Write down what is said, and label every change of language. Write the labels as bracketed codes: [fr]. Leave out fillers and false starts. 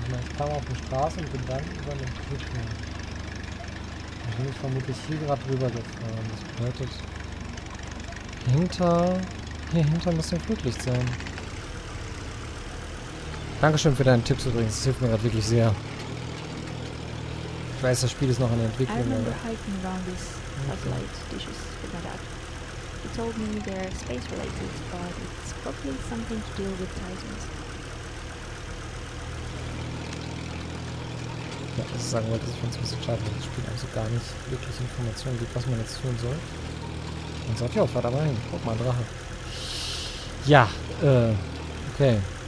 [de] Ich kam auf die Straße und bin dann über den Brücken. Da bin ich vermutlich hier gerade drüber gefahren. Das bedeutet, hier hinter muss ein Flutlicht sein. Dankeschön für deinen Tipp übrigens. Das hilft mir gerade wirklich sehr. Ich weiß, das Spiel ist noch in der Entwicklung. [en] I remember hiking around these satellite dishes with my dad. He told me they're space related, but it's probably something to deal with Titans. [de] Ja, was ich sagen wollte, ich finde es ein bisschen schade, weil das Spiel also gar nicht wirklich Informationen gibt, was man jetzt tun soll. Und sagt, ja, fahr da mal hin. Guck mal, Drache. Ja, okay.